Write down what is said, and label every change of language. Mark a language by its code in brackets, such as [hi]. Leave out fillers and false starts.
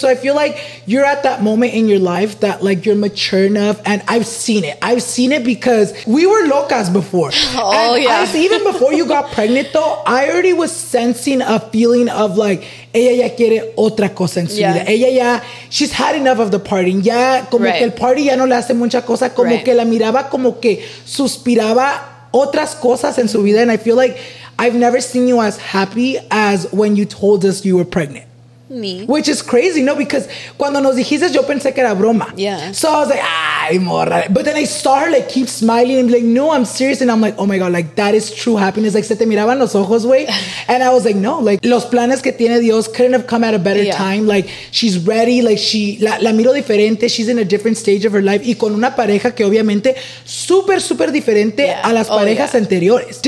[en] So I feel like you're at that moment in your life that like you're mature enough. And I've seen it. I've seen it because we were locas before. Oh, and yeah. Even before you got pregnant though, I already was sensing a feeling of like, [es] ella ya quiere otra cosa en su vida. Ella ya, [en] she's had enough of the partying. [es] Ya como que el party ya no le hace mucha cosa. Como que la miraba como que suspiraba otras cosas en su vida. [en] And I feel like I've never seen you as happy as when you told us you were pregnant. Me. Which is crazy, no? Because [es] cuando nos dijiste, yo pensé que era broma. [en] Yeah. So I was like, [es] ay, morra. [en] But then I saw her, like, keep smiling and be like, no, I'm serious. And I'm like, oh, my God, like, that is true happiness. Like, [es] se te miraban los ojos, güey. [en] And I was like, no, like, [es] los planes que tiene Dios [en] couldn't have come at a better time. Like, she's ready. Like, she, [es] la miro diferente. [en] She's in a different stage of her life. [es] Y con una pareja que, obviamente, súper, súper diferente a las parejas anteriores.